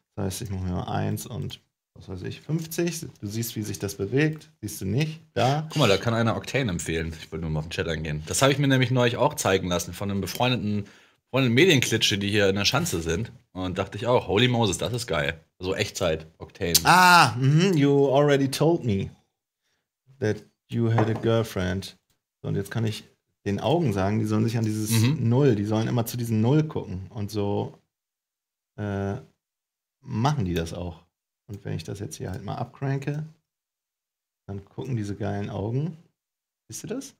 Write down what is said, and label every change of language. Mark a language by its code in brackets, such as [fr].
[de] Das heißt, ich mache mir mal 1 und was weiß ich, 50, du siehst, wie sich das bewegt, siehst du nicht, da. Guck mal, da kann einer Octane empfehlen, ich wollte nur mal auf den Chat eingehen. Das habe ich mir nämlich neulich auch zeigen lassen von einem befreundeten Medienklitsche, die hier in der Schanze sind. Und dachte ich auch, [en] holy Moses, [de] das ist geil. So Echtzeit, Octane. [en] Ah, you already told me that you had a girlfriend. [de] So, und jetzt kann ich den Augen sagen, die sollen sich an dieses Null, die sollen immer zu diesem Null gucken. Und so machen die das auch. Und wenn ich das jetzt hier halt mal abcranke, dann gucken diese geilen Augen. Siehst du das?